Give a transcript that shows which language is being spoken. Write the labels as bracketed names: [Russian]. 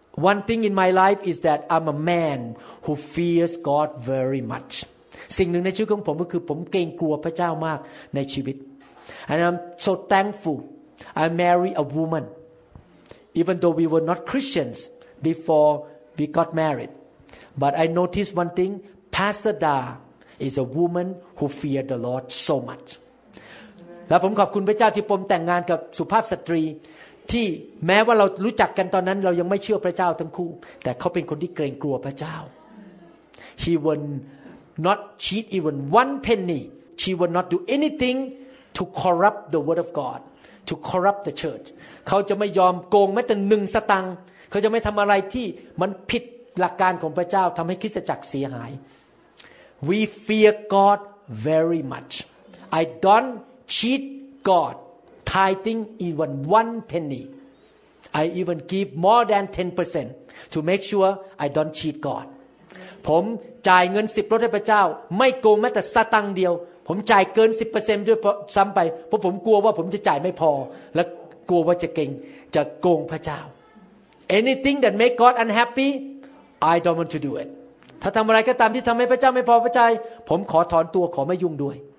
[English] One thing in my life is that I'm a man who fears God very much [Thai] สิ่งหนึ่งในชีวิตของผมก็คือผมเกรงกลัวพระเจ้ามากในชีวิต [English] And I'm so thankful I married a womanEven though we were not Christians before we got married. But I noticed one thing. Pastor Da is a woman who feared the Lord so much. [Thai] แล้วผมขอบคุณพระเจ้าที่ผมแต่งงานกับสุภาพสตรีที่แม้ว่าเรารู้จักกันตอนนั้นเรายังไม่เชื่อพระเจ้าทั้งคู่แต่เขาเป็นคนที่เกรงกลัวพระเจ้า [English] He will not cheat even one penny. She will not do anything to corrupt the word of God. To corrupt the church, [Thai] เขาจะไม่ยอมโกงแม้แต่หนึ่งสตังค์เขาจะไม่ทำอะไรที่มันผิดหลักการของพระเจ้าทำให้คริสตจักรเสียหาย [English] We fear God very much. I don't cheat God, tithing even one penny. I even give more than 10% to make sure I don't cheat God. [Thai] ผมจ่ายเงิน10%ให้พระเจ้าไม่โกงแม้แต่สตังค์เดียวผมจ่ายเกิน 10% ด้วยซ้ำไปเพราะผมกลัวว่าผมจะจ่ายไม่พอและกลัวว่าจะเก่งจะโกงพระเจ้า [English] Anything that make God unhappy I don't want to do it [Thai] ถ้าทำอะไรก็ตามที่ทำให้พระเจ้าไม่พอพระใจผมขอถอนตัวขอไม่ยุ่งด้วย